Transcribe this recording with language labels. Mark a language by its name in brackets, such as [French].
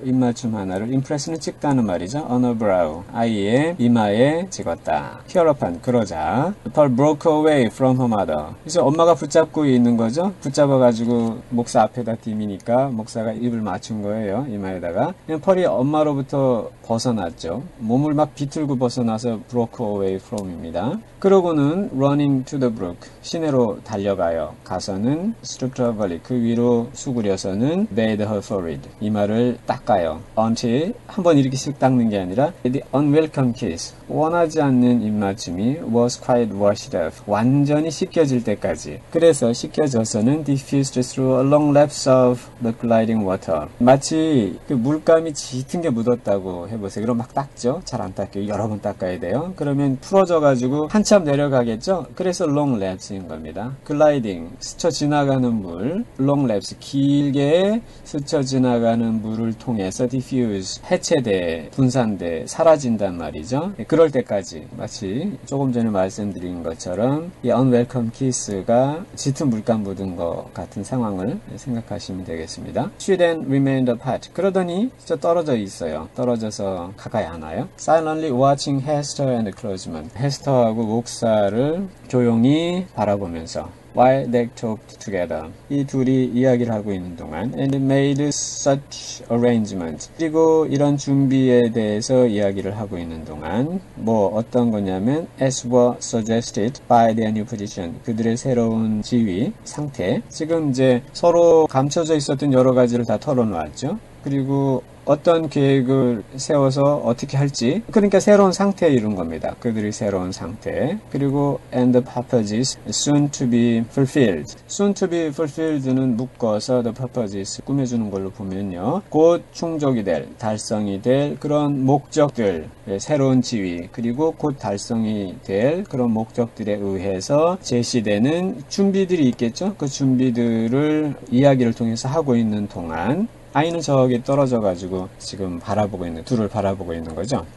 [Korean] 입맞춤 하나를 impress는 찍다는 말이죠. [English] on her brow, [Korean] 아이의 이마에 찍었다. [English] Here upon, [Korean] 그러자. [English] Pearl broke away from her mother. [Korean] 이제 엄마가 붙잡고 있는 거죠. 붙잡아가지고 목사 앞에다 디미니까 목사가 입을 맞춘 거예요. 이마에다가. 그냥 펄이 엄마로부터 벗어났죠. 몸을 막 비틀고 벗어나서 broke away from입니다. [English] 그러고는 running to the brook. [Korean] 시내로 달려가요. 가서는 [English] stripped her body [Korean] 그 위로 수그려서는 [English] bathed her forehead [Korean] 이마를 닦아요. until 한번 이렇게 씩 닦는 게 아니라 [English] the unwelcome kiss [Korean] 원하지 않는 입맞춤이 [English] was quite washed off [Korean] 완전히 씻겨질 때까지 그래서 씻겨져서는 [English] diffused through a long lapse of the gliding water [Korean] 마치 그 물감이 짙은 게 묻었다고 해보세요. 그럼 막 닦죠. 잘안 닦여요. 여러 번 닦아야 돼요. 그러면 풀어져가지고 한참 내려가겠죠. 그래서 long lapse 단체인 겁니다. 글라이딩, 스쳐 지나가는 물, 롱랩스, 길게 스쳐 지나가는 물을 통해서 디퓨즈, 해체돼, 분산돼, 사라진단 말이죠. 그럴 때까지 마치 조금 전에 말씀드린 것처럼 이 언웰컴 키스가 짙은 물감 묻은 것 같은 상황을 생각하시면 되겠습니다. [English] She then remained apart. [Korean] 그러더니 저 떨어져 있어요. 떨어져서 가까이 하나요? [English] Silently watching Hester and the clergyman. [Korean] 헤스터하고 목사를 조용히 바라보면서 [English] While they talked together, [Korean] 이 둘이 이야기를 하고 있는 동안 [English] And made such arrangements, [Korean] 그리고 이런 준비에 대해서 이야기를 하고 있는 동안 뭐 어떤 거냐면 [English] As were suggested by their new position, [Korean] 그들의 새로운 지위, 상태 지금 이제 서로 감춰져 있었던 여러 가지를 다 털어놓았죠. 그리고 어떤 계획을 세워서 어떻게 할지 그러니까 새로운 상태에 이른 겁니다. 그들이 새로운 상태 그리고 [English] and the purposes soon to be fulfilled. [Korean] soon to be fulfilled는 묶어서 the purposes 꾸며주는 걸로 보면요. 곧 충족이 될, 달성이 될 그런 목적들, 새로운 지위 그리고 곧 달성이 될 그런 목적들에 의해서 제시되는 준비들이 있겠죠. 그 준비들을 이야기를 통해서 하고 있는 동안 아이는 저기 떨어져 가지고 지금 바라보고 있는, 둘을 바라보고 있는 거죠.